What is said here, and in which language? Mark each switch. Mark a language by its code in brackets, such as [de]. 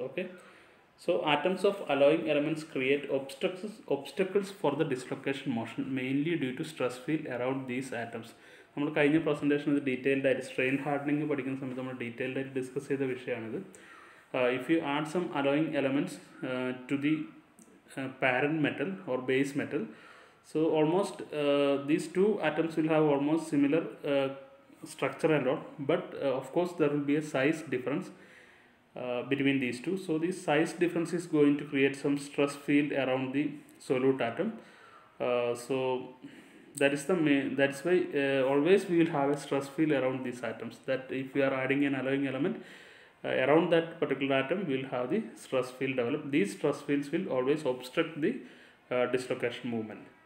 [en] Okay, so atoms of alloying elements create obstacles for the dislocation motion, mainly due to stress field around these atoms. [ml] നമ്മൾ കഴിഞ്ഞ പ്രസൻറ്റേഷനിൽ detailed ആയിട്ട് strain hardening പഠിക്കുന്ന സമയത്ത് നമ്മൾ detailed ആയിട്ട് discuss ചെയ്ത വിഷയമാണിത്. [en] If you add some alloying elements to the parent metal or base metal, so almost these two atoms will have almost similar structure and all, but of course there will be a size difference between these two. So these size difference is going to create some stress field around the solute atom. So That's why always we will have a stress field around these atoms. That if we are adding an alloying element around that particular atom, we will have the stress field developed. These stress fields will always obstruct the dislocation movement.